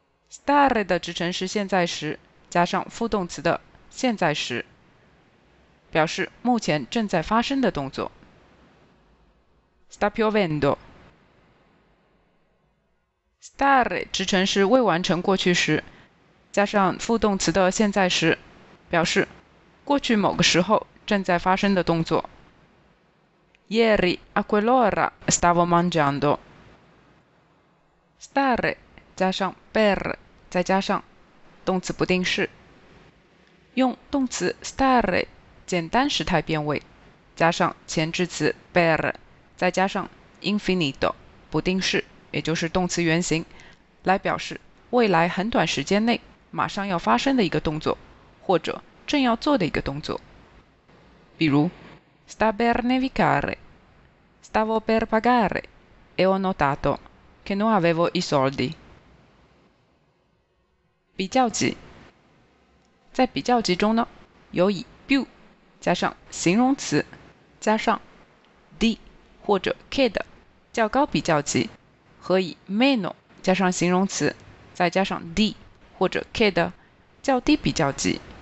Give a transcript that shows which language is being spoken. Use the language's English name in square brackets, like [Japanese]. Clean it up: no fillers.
[Chinese] stare 的直陈是现在时加上副动词的现在时，表示目前正在发生的动作。 [Italian] sta piovendo。 [Chinese] stare 直陈是未完成过去时加上副动词的现在时，表示 过去某个时候正在发生的动作。 [Italian] Ieri a quell'ora stavo mangiando. [Chinese] Stare 加上 per 再加上 动词不定式， 用动词 stare 简单时态变位 加上前置词 per 再加上 infinito 不定式， 也就是动词原形， 来表示未来很短时间内 马上要发生的一个动作， 或者 正要做的一个动作。比如 [Italian] sta per nevicare, stavo per pagare e ho notato che non avevo i soldi. [Chinese] 比较级，在比较级中呢， 有以 più 加上形容词 加上 di 或者 che 的较高比较级，和以 meno 加上形容词 再加上 di 或者 che 的较低比较级。